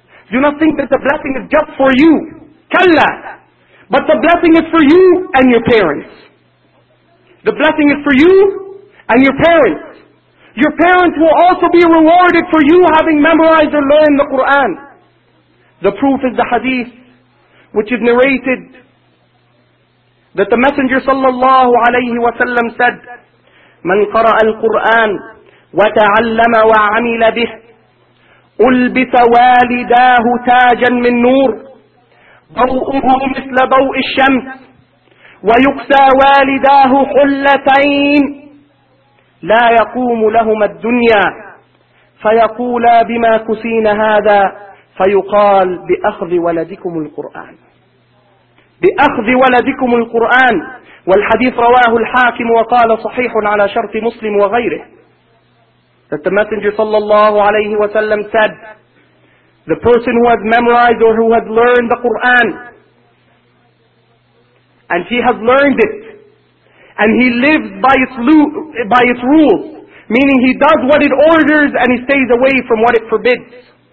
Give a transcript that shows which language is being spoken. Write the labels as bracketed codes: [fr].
[en] Do not think that the blessing is just for you. [ar] كلا. [en] But the blessing is for you and your parents. The blessing is for you and your parents. Your parents will also be rewarded for you having memorized or learned the Qur'an. The proof is the hadith which is narrated that the Messenger sallallahu alayhi wa sallam said, [ar] "من قرأ القرآن وتعلم وعمل به ألبس والداه تاجا من نور ضوءه مثل ضوء الشمس ويكسى والداه حلتين لا يقوم لهما الدنيا فيقولا بما كسين هذا فيقال بأخذ ولدكم القرآن بأخذ ولدكم القرآن." والحديث رواه الحاكم وقال صحيح على شرط مسلم وغيره. [en] That the Messenger صلى الله عليه وسلم said, the person who has memorized or who has learned the Quran, and he has learned it, and he lives by its rules, meaning he does what it orders and he stays away from what it forbids.